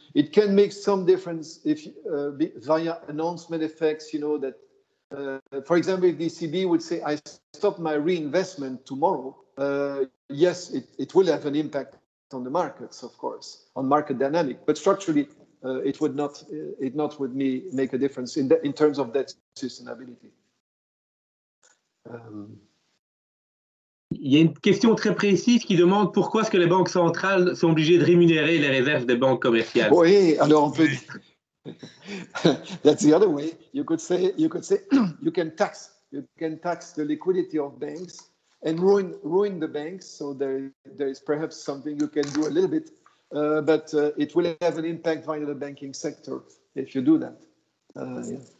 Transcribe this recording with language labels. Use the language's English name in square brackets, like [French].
[English] It can make some difference if via announcement effects, you know, that for example, if the ECB would say, I stop my reinvestment tomorrow, yes, it will have an impact on the markets, of course, on market dynamic. But structurally, it would not make a difference in terms of debt sustainability. [French] Il y a une question très précise qui demande pourquoi est-ce que les banques centrales sont obligées de rémunérer les réserves des banques commerciales. Oui, alors on peut... [English] That's the other way. You could say you can tax the liquidity of banks and ruin the banks. So there is perhaps something you can do a little bit but it will have an impact via the banking sector if you do that. Yeah.